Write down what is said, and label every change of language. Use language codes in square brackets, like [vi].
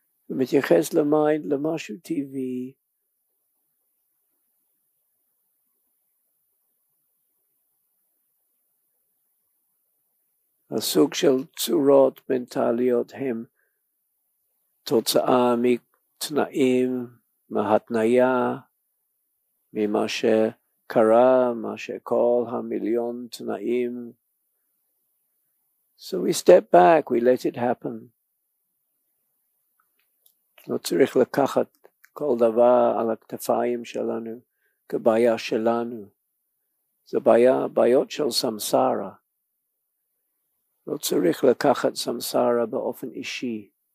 [he] ומתייחס למיינד למשהו טבעי, הסוג של צורות מנטליות הם תוצאה מתנאים, מהתניה, ממה שקרה, מה שכל המיליון תנאים. [en] So we step back, we let it happen. [he] לא צריך לקחת כל דבר על הכתפיים שלנו כבעיה שלנו. זה בעיות של סמסרה. לא צריך לקחת סמסרה באופן אישי.